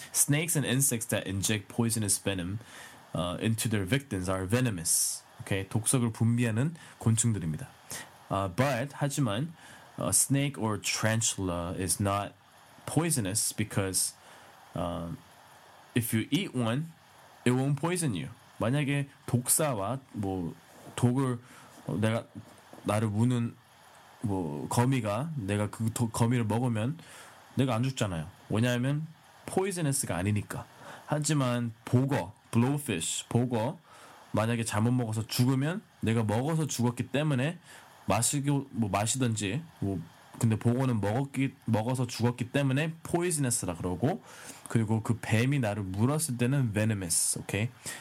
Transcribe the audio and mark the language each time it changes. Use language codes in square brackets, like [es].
[en] Snakes and insects that inject poisonous venom into their victims are venomous. Okay. [ko] 독성을 분비하는 곤충들입니다. [en] But 하지만 a snake or tarantula is not poisonous because if you eat one, it won't poison you. [ko] 만약에 독사와 뭐 독을 내가 나를 무는 뭐 거미가 내가 그 독, 거미를 먹으면 내가 안 죽잖아요. 왜냐하면 poisonous가 아니니까. 하지만 보거 blowfish 보거 만약에 잘못 먹어서 죽으면 내가 먹어서 죽었기 때문에 마시고 뭐 마시든지 뭐 근데 보고는 먹어서 죽었기 때문에 poisonous라 그러고 그리고 그 뱀이 나를 물었을 때는 venomous, okay?